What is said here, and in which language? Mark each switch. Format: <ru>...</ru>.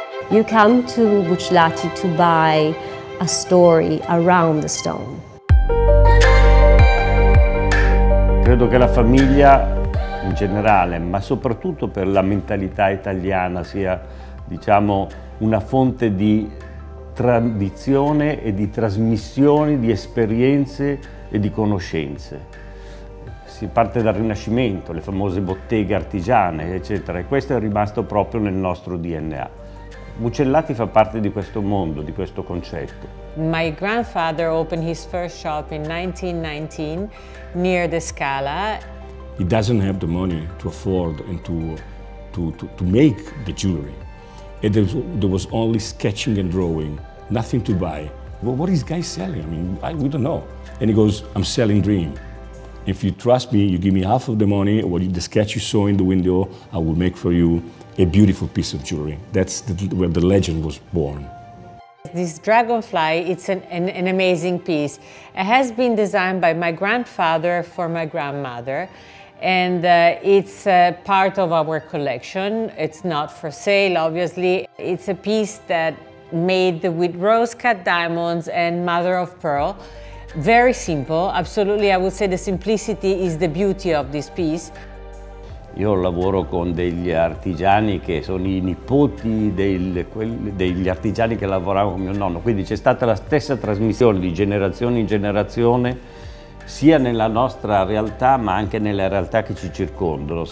<en>You come to Buchlati to buy a story around the stone.</en> <it>Credo che la famiglia in generale, ma soprattutto per la mentalità italiana, sia, diciamo, una fonte di tradizione e di trasmissione di esperienze e di conoscenze. Si parte dal Rinascimento, le famose botteghe artigiane, eccetera, e questo è rimasto proprio nel nostro DNA. Buchlati fa parte di questo mondo, di questo concetto.</it> <en>My grandfather opened his first shop in 1919 near the Scala. He doesn't have the money to afford and to make the jewelry. And there was only sketching and drawing, nothing to buy. Well, what is guy selling? We don't know. And he goes, I'm selling dream. If you trust me, you give me half of the money, the sketch you saw in the window, I will make for you a beautiful piece of jewelry. That's where the legend was born. This dragonfly, it's an amazing piece. It has been designed by my grandfather for my grandmother. And it's part of our collection. It's not for sale, obviously. It's a piece that made with rose cut diamonds and mother of pearl. Very simple, absolutely. I would say the simplicity is the beauty of this piece.</en> <it>Io lavoro con degli artigiani che sono i nipoti degli artigiani che lavoravano con mio nonno. Quindi c'è stata la stessa trasmissione di generazione in generazione, sia nella nostra realtà ma anche nelle realtà che ci circondano.</it>